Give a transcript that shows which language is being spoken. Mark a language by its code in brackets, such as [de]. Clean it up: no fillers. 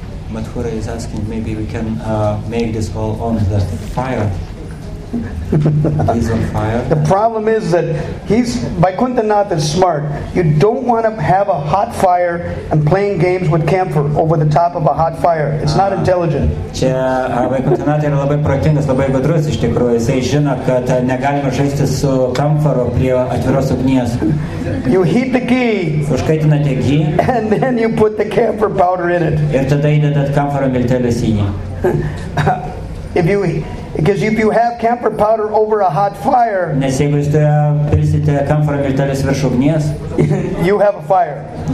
[en] Madhura is asking, maybe we can make this all on the fire. He's on fire. The problem is that Vaikunthanath is smart. You don't want to have a hot fire and playing games with camphor over the top of a hot fire. It's not intelligent. [lt] Vaikunthanath yra labai protingas, labai gudrus iš tikrųjų. Jisai žino, kad negalima žaisti su kamfaru prie atviros ugnies. [en] You heat the ghee. [lt] Užkaitinate ghee. [en] And then you put the camphor powder in it. [lt] Ir tada įdedat kamfaro miltelius į jį. [en] Because if you have camphor powder over a hot fire, you have a fire.